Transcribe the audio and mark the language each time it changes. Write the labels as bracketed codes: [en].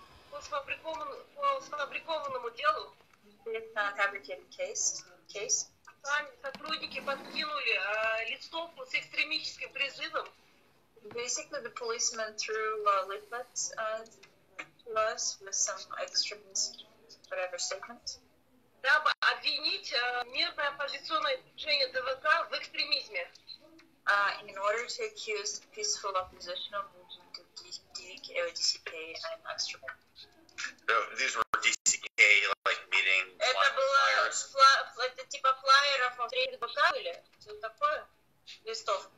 [ru] По сфабрикованному делу. [en] With a fabricated case. [ru] Сами сотрудники подкинули листовку с экстремистским призывом. [en] Basically, the policeman threw leaflets to us with some extremist whatever statement. [ru] Дабы обвинить мирное оппозиционное движение ДВК в экстремизме. [en] In order to accuse peaceful oppositional movement of DCK, I'm extremist. These were DCK like meeting. [ru] Это было это типа флаеров от ДВК или что такое? Листовка.